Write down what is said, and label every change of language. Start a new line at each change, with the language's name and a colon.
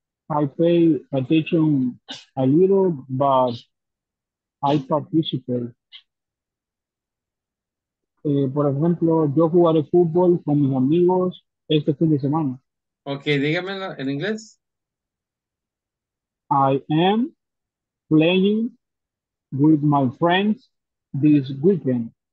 English: I pay attention a little, but I participate.
Spanish: Por ejemplo, yo jugaré fútbol con mis amigos este fin de semana. Okay, dígamelo en inglés.
English: I am playing with my friends this weekend.